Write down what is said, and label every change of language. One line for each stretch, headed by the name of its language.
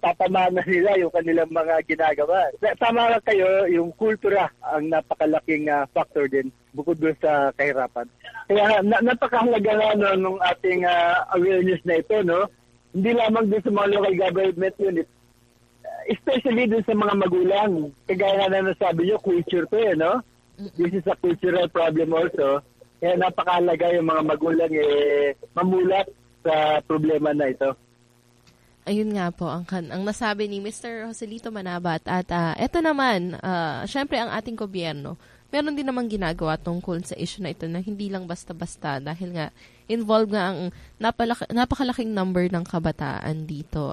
Filipino: Papamana nila yung kanilang mga ginagawa. Tama lang kayo, yung kultura ang napakalaking factor din bukod doon sa kahirapan. Kaya napakahalaga na no, nung ating awareness na ito, no? Hindi lamang doon sa mga local government unit, especially doon sa mga magulang. Kagaya nga na nasabi nyo, culture to eh, no?
English: This is a cultural problem also.
Filipino: Kaya napakahalaga yung mga magulang mamulat sa problema na ito. Ayun nga po, ang nasabi ni Mr. Joselito Manabat. At ito naman, syempre ang ating gobyerno, meron din namang ginagawa tungkol sa issue na ito na hindi lang basta-basta, dahil nga involved nga ang napakalaking number ng kabataan dito.